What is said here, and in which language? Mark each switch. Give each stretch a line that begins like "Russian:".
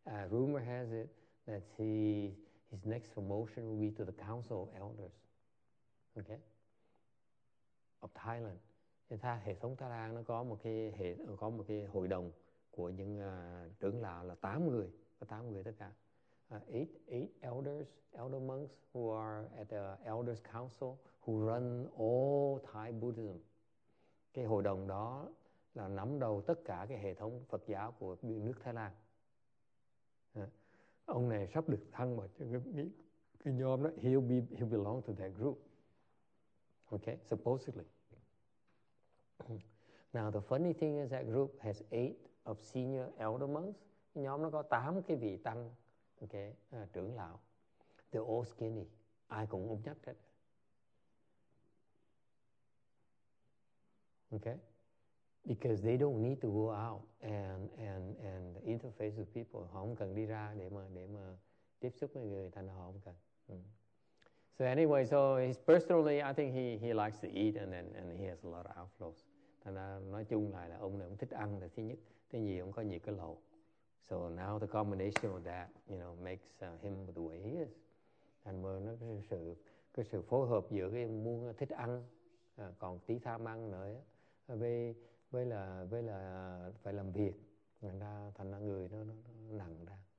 English: Rumor has it that his next promotion will be to the council of elders, okay, of Thailand.
Vietnamese: Hệ thống Thái Lan nó có một cái hội đồng của những trưởng lão là 8 người, có 8 người tất cả.
English: eight elders, elder monks who are at the elders council who run all Thai Buddhism.
Vietnamese: Cái hội đồng đó là nắm đầu tất cả cái hệ thống Phật giáo của nước Thái Lan. Ông này sắp được thăng vào cái nhóm đó.
English: He'll belong to that group. Okay, supposedly. Now the funny thing is that group has eight of senior elder monks.
Vietnamese: Nhóm nó có 8 cái vị tăng, okay, trưởng lão.
English: They're all skinny.
Vietnamese: Ai cũng ốm nhách hết.
English: Okay, because they don't need to go out and interface with people.
Vietnamese: Họ không cần đi ra để mà tiếp xúc với người, thành họ không cần.
English: So anyway, so he's personally, I think he likes to eat and he has a lot of outflows.
Vietnamese: Thành ra nói chung lại là ông này cũng thích ăn là thứ nhất, thứ nhì ông có nhiều cái lầu.
English: So now the combination of that, you know, makes him the way he is.
Vietnamese: And mà nó cái sự phối hợp giữa cái muốn thích ăn còn tí tham ăn nữa với là phải làm việc, thành ra người nó nặng ra.